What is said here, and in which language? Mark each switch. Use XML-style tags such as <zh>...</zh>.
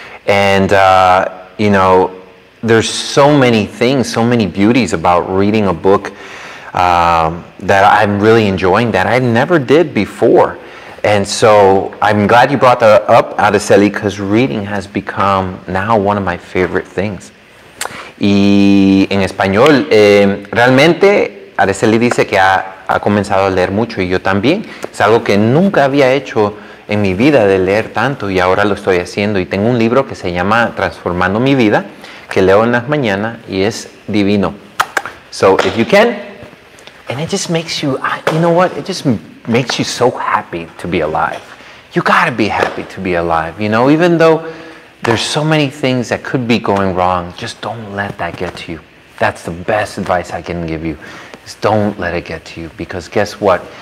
<en>And there's so many things, so many beauties about reading a book. That I'm really enjoying that I never did before. And so I'm glad you brought that up, Adeseli, because reading has become now one of my favorite things.</en> <es>Y en español, realmente Adeseli dice que ha comenzado a leer mucho y yo también. Es algo que nunca había hecho en mi vida de leer tanto y ahora lo estoy haciendo. Y tengo un libro que se llama Transformando mi vida, que leo en las mañanas y es divino.</es> <en>So if you can. And it just makes you, you know what? It just makes you so happy to be alive. You gotta be happy to be alive. Even though there's so many things that could be going wrong, just don't let that get to you. That's the best advice I can give you, is don't let it get to you. Because guess what?</en>